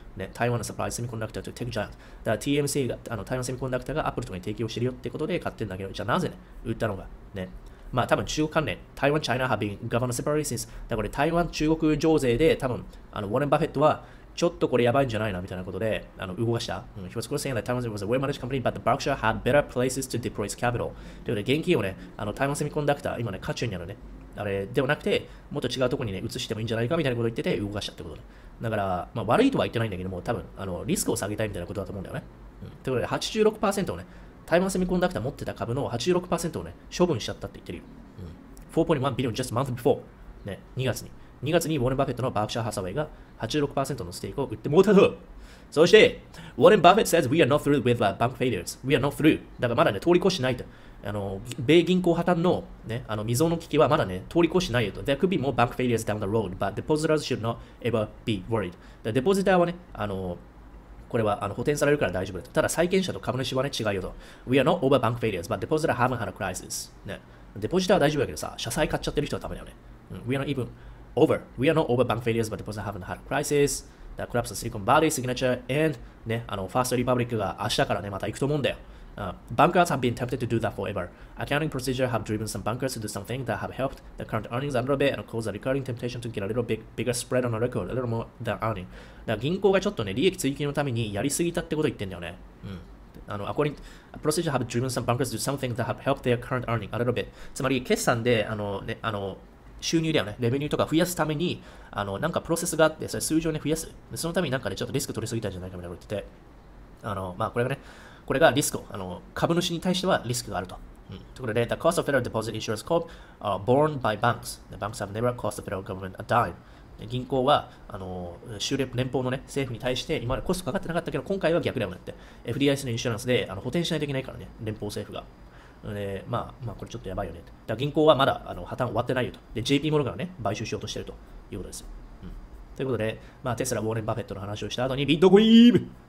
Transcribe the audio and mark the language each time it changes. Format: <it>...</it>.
<ja>ね、台湾のサプライズセミコンダクターとテクジャイアンツ。だから TMC が、台湾セミコンダクターがアップルとかに提供してるよってことで買ってるんだけど、じゃあなぜね、売ったのか。ね。まあ多分中国関連、台湾、</ja> <en>China have been governed separately since。</en> <ja>だから台湾、中国情勢で多分、ウォーレン・バフェットは、ちょっとこれやばいんじゃないなみたいなことで、動かした。</ja> <en>He was saying that Taiwan was a well-managed company, but the Berkshire had better places to deploy its capital。</en> <ja>ということで、現金をね、台湾セミコンダクター、今ね、渦中にあるね。あれ、ではなくて、もっと違うところにね、移してもいいんじゃないかみたいなこと言ってて、動かしたってことで。だから、まあ悪いとは言ってないんだけども、多分、リスクを下げたいみたいなことだと思うんだよね。ということで、86% をね、台湾セミコンダクター持ってた株の 86% をね、処分しちゃったって言ってるよ。</ja> <en>4.1 billion just a month before。</en> <ja>ね、2月に。 2月にウォーレン・バフェットのバークシャー・ハサウェイが 86% のステークを売ってもうたと。</ja> <en>そして、ウォーレン・バフェット says we are not through with bank failures. We are not through.</en> <ja>だからまだね、通り越しないと。米銀行破綻のね、未曽有の危機はまだね、通り越しないよと。</ja> <en>There could be more bank failures down the road, but depositors should not ever be worried. The depositor</en> <ja>はね、これは補填されるから大丈夫だと。ただ債権者と株主はね違うよと。</ja> <en>We are not over bank failures, but depositors haven't had a crisis.</en> <ja>ね。デポジターは大丈夫だけどさ、社債買っちゃってる人はダメだよね。</ja> <en>We are not even over. We are not over bank failures, but depositors haven't had a crisis. The collapse of Silicon Valley Signature and ね、First Republic</en> <ja>が明日からね、また行くと思うんだよ。</ja> <en>Bankers have been tempted to do that forever. Accounting procedures have driven some bankers to do something that have helped the current earnings a little bit and caused a recurring temptation to get a little bigger spread on a record, a little more than earning.</en> <ja>だから銀行がちょっとね、利益追求のためにやりすぎたってこと言ってんだよね。</ja> <en>According to procedures have driven some bankers to do something that have helped their current earning a little bit.</en> <ja>つまり、決算で、ね、収入だよね、レベニューとか増やすために、なんかプロセスがあって、それ数字をね、増やす。そのためになんかね、ちょっとリスク取りすぎたんじゃないかみたいなこと言ってて。まあ、これがね、これがリスク、株主に対してはリスクがあると。ところで、</ja> <en>The cost of federal deposit insurance corp are borne by banks. The banks have never cost the federal government a dime.</en> <ja>銀行は、連邦のね、政府に対して、今までコストかかってなかったけど、今回は逆だよねって。 FDIC のインシュランスで、補填しないといけないからね、連邦政府が。で、まあ、まあ、これちょっとやばいよねって。だから銀行はまだ、破綻終わってないよと。で、JP モルガンをね、買収しようとしてるということですよ。ということで、まあ、テスラ、ウォーレン・バフェットの話をした後に、ビットコイン</ja>